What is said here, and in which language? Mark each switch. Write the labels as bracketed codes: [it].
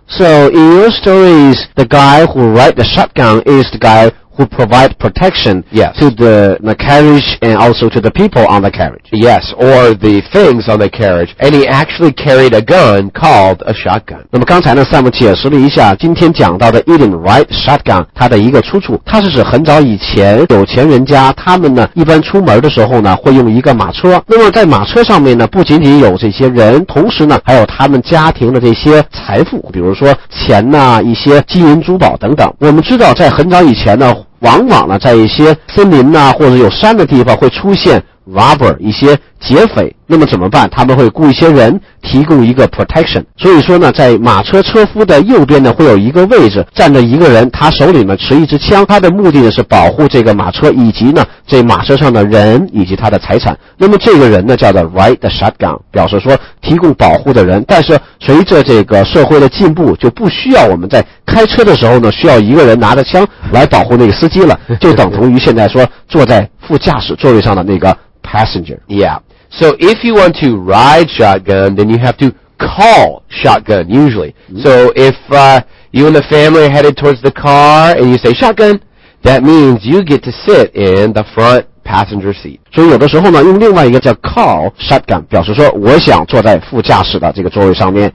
[en] So in your stories, the guy who ride the shotgun is the guy who provide protection, yes, to the carriage and also to the people on the carriage. Yes, or the things on the carriage. And he actually carried a gun called a shotgun. [zh] 那么刚才呢，萨姆解释了一下今天讲到的 Eden Wright Shotgun 它的一个出处。它是指很早以前有钱人家他们呢一般出门的时候呢会用一个马车。那么在马车上面呢不仅仅有这些人，同时呢还有他们家庭的这些财富，比如说钱呐，一些金银珠宝等等。我们知道在很早以前呢，往往呢在一些森林呐，或者有山的地方会出现 robber 一些劫匪，那么怎么办？他们会雇一些人提供一个 protection。所以说呢，在马车车夫的右边呢会有一个位置站着一个人，他手里面持一支枪，他的目的呢是保护这个马车以及呢这马车上的人以及他的财产。那么这个人呢叫做 ride the shotgun， 表示说提供保护的人。但是随着这个社会的进步，就不需要我们在开车的时候呢需要一个人拿着枪来保护那个司机了，就等同于现在说坐在副驾驶座位上的那个passenger. Yeah. [en] So if you want to ride shotgun, then you have to call shotgun, usually. Mm-hmm. So if you and the family are headed towards the car and you say shotgun, that means you get to sit in the front passenger seat. [zh] 所以有的时候呢用另外一个叫 call shotgun 表示说我想坐在副驾驶的这个座位上面。